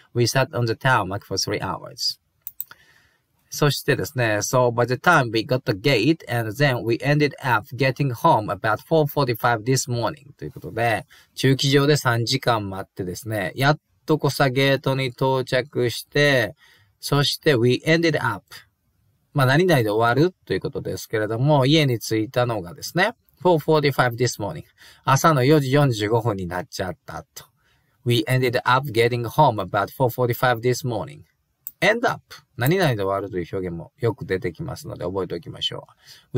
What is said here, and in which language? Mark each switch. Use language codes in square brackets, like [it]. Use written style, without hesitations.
[en] We sat on the tarmac for three hours。 [ja] そしてですね、 [en] so by the time we got the gate and then we ended up getting home about 4:45 this morning [ja] ということで、駐機場で3時間待ってですね、やっとこさゲートに到着して、そして [en] we ended up。 [ja] まあ何々で終わるということですけれども、家に着いたのがですね、 [en] 4:45 this morning。 [ja] 朝の4時45分になっちゃったと。 [en] We ended up getting home about 4:45 this morning. [ja] end up 何々で終わるという表現もよく出てきますので覚えておきましょう。